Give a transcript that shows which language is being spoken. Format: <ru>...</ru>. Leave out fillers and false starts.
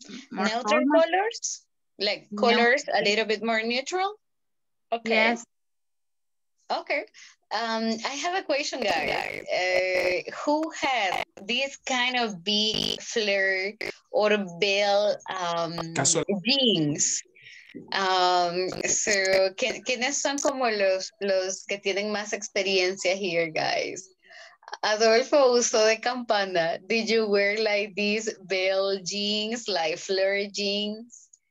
<en>More neutral formal. Colors? Like colors a little bit more neutral? Okay. Yes. Okay. I have a question, guys. Who has this kind of big flare or bell jeans?</en> <es>So, ¿quiénes son como los que tienen más experiencia</es> <en>here, guys?</en> <es>Adolfo uso de campana.</es> <en>Did you wear like these bell jeans, like flare jeans?</en>